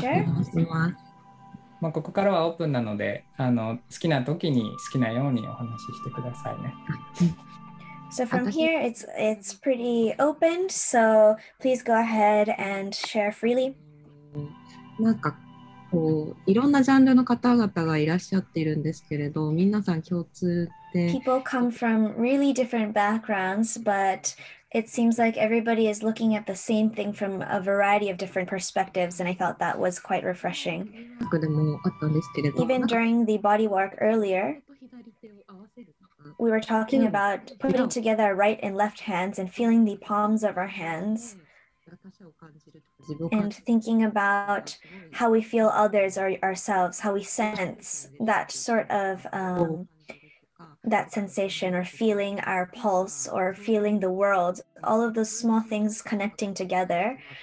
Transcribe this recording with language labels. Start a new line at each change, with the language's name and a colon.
Japanese: スマス。まあここからはオープンなので、好きな時に好きなようにお話ししてくださいね。
English: So from here, it's pretty open. So please go ahead and share freely.
Japanese: なんかこういろんなジャンルの方々がいらっしゃってるんですけれど、皆さん共通で。
English: People come from really different backgrounds, but it seems like everybody is looking at the same thing from a variety of different perspectives, and I thought that was quite refreshing. Even during the body work earlier. We were talking about putting together right and left hands and feeling the palms of our hands and thinking about how we feel others or ourselves, how we sense that sort of that sensation or feeling our pulse or feeling the world, all of those small things connecting together.